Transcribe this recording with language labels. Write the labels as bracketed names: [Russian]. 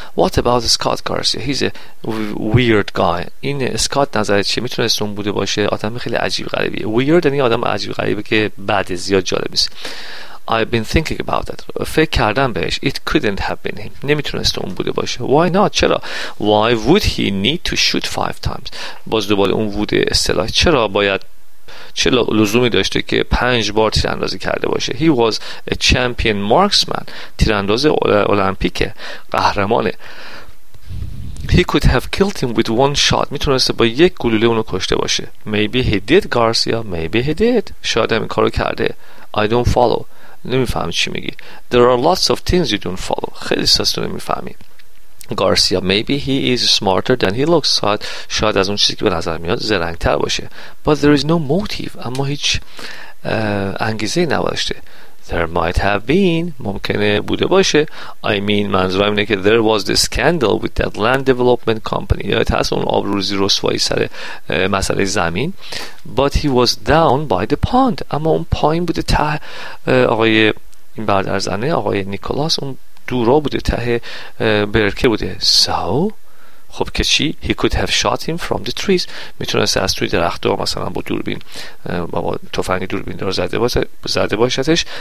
[English] What about Scott Garcia? He's a weird guy. [Persian] این اسکات نظرت چیه؟ میتونسته اون بوده باشه. آدم خیلی عجیب غریبیه. Weird یعنی آدم عجیب غریبه که بعد زیاد جالب نیست. [English] I've been thinking about that. [Persian] فکر کردم بهش. [English] It couldn't have been him. [Persian] نمیتونسته اون بوده باشه. [English] Why not? [Persian] چرا؟ [English] Why would he need to shoot 5 times? [Persian] باز دوباره اون بوده اصطلاح. چرا باید چه لزومی داشته که 5 بار تیراندازی کرده باشه؟ [English] He was a champion marksman. [Persian] تیرانداز المپیک، قهرمانه. [English] He could have killed him with one shot. [Persian] میتونسته با یک گلوله اونو کشته باشه. [English] Maybe he did, Garcia. Maybe he did. [Persian] شاید هم این کارو کرده. [English] I don't follow. [Persian] نمیفهم چی میگی. [English] There are lots of things you don't follow. [Persian] خیلی ساستو نمیفهمی. [English] Garcia: Maybe he is smarter than he looks. [Persian] شاید از اون چیزی که به نظر میاد زرنگتر باشه. [English] But there is no motive. [Persian] اما هیچ انگیزه نداشته. [English] There might have been. [Persian] ممکنه بوده باشه. [English] I mean, [Persian] منظورم اینه که [English] there was the scandal with that land development company. [Persian] یادت هست اون آبروزی رسوایی سر مسئله زمین. [English] But he was down by the pond. [Persian] اما اون پایین بوده ته آقای این برادر زنه آقای نیکولاس، اون دورا بوده ته برکه بوده. [English] So [Persian] خب که چی؟ [English] He could have shot him from the trees. [Persian] میتونست از توی درخت ها مثلا با دوربین با تفنگ دوربین رو زده باشدش.